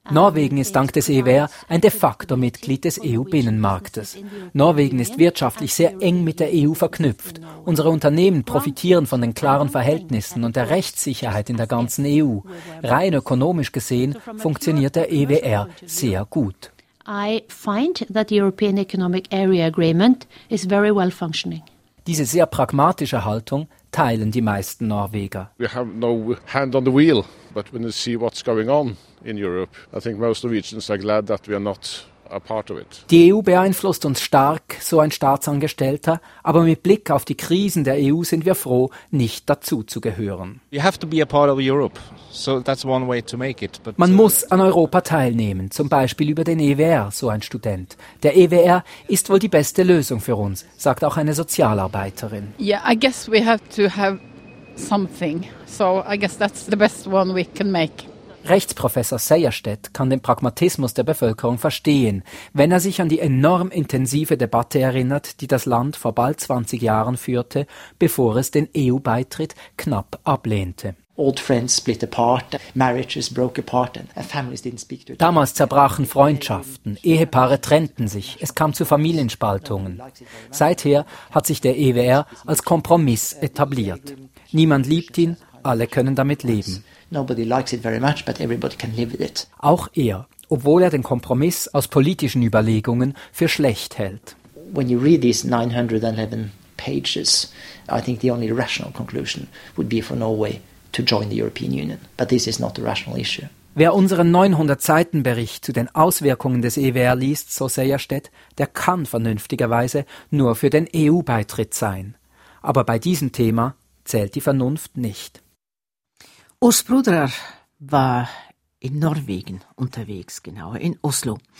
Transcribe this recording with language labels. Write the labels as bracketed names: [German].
[German] Norwegen ist dank des EWR ein de facto Mitglied des EU-Binnenmarktes. Norwegen ist wirtschaftlich sehr eng mit der EU verknüpft. Unsere Unternehmen profitieren von den klaren Verhältnissen und der Rechtssicherheit in der ganzen EU. Rein ökonomisch gesehen funktioniert der EWR sehr gut. [English] I find that the European Economic Area Agreement is very well functioning. [German] Diese sehr pragmatische Haltung teilen die meisten Norweger. [English] We have no hand on the wheel, but when we see what's going on in Europe, I think most Norwegians are glad that we are not a part of it. [German] Die EU beeinflusst uns stark, so ein Staatsangestellter, aber mit Blick auf die Krisen der EU sind wir froh, nicht dazu zu gehören. [English] You have to be a part of Europe. So that's one way to make it. But [German] man muss an Europa teilnehmen, zum Beispiel über den EWR, so ein Student. Der EWR ist wohl die beste Lösung für uns, sagt auch eine Sozialarbeiterin. [English] Yeah, I guess we have to have something. So I guess that's the best one we can make. [German] Rechtsprofessor Sejersted kann den Pragmatismus der Bevölkerung verstehen, wenn er sich an die enorm intensive Debatte erinnert, die das Land vor bald 20 Jahren führte, bevor es den EU-Beitritt knapp ablehnte. [English] Old friends split apart, marriages broke apart and families didn't speak to each other. [German] Damals zerbrachen Freundschaften, Ehepaare trennten sich, es kam zu Familienspaltungen. Seither hat sich der EWR als Kompromiss etabliert. Niemand liebt ihn, alle können damit leben. [English] Nobody likes it very much, but everybody can live with it. [German] Auch er, obwohl er den Kompromiss aus politischen Überlegungen für schlecht hält. [English] When you read these 911 pages, I think the only rational conclusion would be for Norway to join the European Union. But this is not a rational issue. [German] Wer unseren 900-Seiten-Bericht zu den Auswirkungen des EWR liest, so Seierstedt, der kann vernünftigerweise nur für den EU-Beitritt sein. Aber bei diesem Thema zählt die Vernunft nicht. Urs Bruderer war in Norwegen unterwegs, genauer in Oslo.